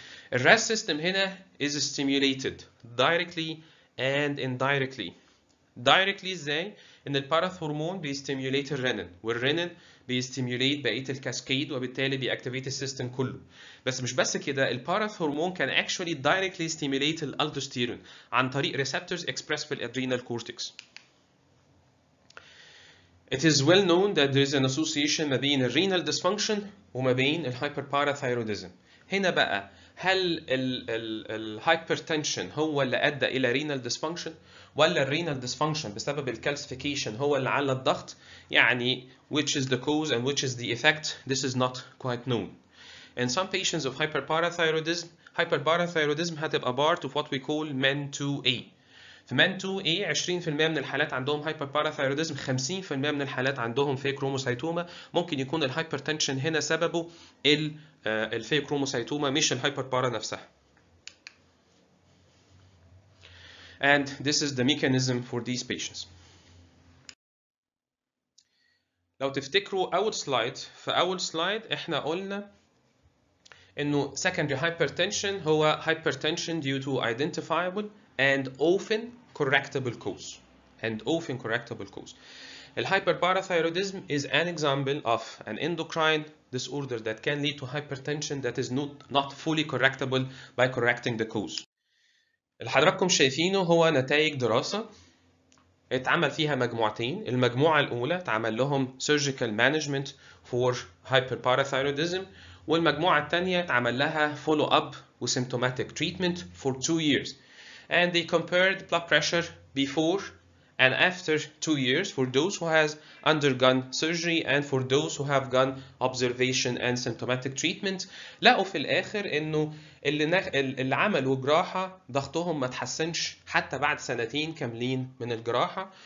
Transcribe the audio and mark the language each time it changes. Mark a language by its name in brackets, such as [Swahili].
[English] The RAS system [Arabic] هنا [English] is stimulated directly and indirectly. [Arabic] Directly ازاي؟ ان الparath hormone بيستيمولate الرنين, والرنين بيستيمولات بقية الكاسكيد وبالتالي بيأكتيفيت السيستم كله. بس كده الباراث هرمون كان [English] actually directly stimulate [Arabic] الالدوستيرون عن طريق [English] receptors expressed [Arabic] في الادرينال كورتكس. [English] It is well known that there is an association [Arabic] ما بين [English] الرينال dysfunction وما بين الهايبرباراثيرويديزم. [Arabic] هنا بقى هل الهايبرتنشن هو اللي أدى إلى رينال dysfunction ولا الرينال dysfunction بسبب الكالسيفيكيشن هو اللي علّى الضغط؟ يعني [English] which is the cause and which is the effect, this is not quite known. In some patients of hyperparathyroidism, hyperparathyroidism [Arabic] هتبقى [English] part of what we call MEN2A. [Arabic] في مان 2A 20% من الحالات عندهم هايبر باراثايرويدزم، 50% من الحالات عندهم فيك كروموسايتوما. ممكن يكون الهايبر تنشن هنا سببه الفيك كروموسايتوما مش الهايبر بارا نفسها. [English] And this is the mechanism for these patients. [Arabic] لو تفتكروا اول سلايد، فاول سلايد احنا قلنا انه [English] secondary hypertension [Arabic] هو [English] hypertension due to identifiable and often correctable cause. الhyperparathyroidism is an example of an endocrine disorder that can lead to hypertension that is not fully correctable by correcting the cause. [Arabic] اللي حضراتكم شايفينه هو نتائج دراسة اتعمل فيها مجموعتين. المجموعة الأولى اتعمل لهم [English] surgical management for hyperparathyroidism، [Arabic] والمجموعة الثانية اتعمل لها follow up و [English] symptomatic treatment for 2 years. And they compared blood pressure before and after 2 years for those who has undergone surgery and for those who have gone observation and symptomatic treatment. [Arabic] لقوا في الآخر انه اللي عملوا جراحة ضغطهم ما تحسنش حتى بعد سنتين كاملين من الجراحة.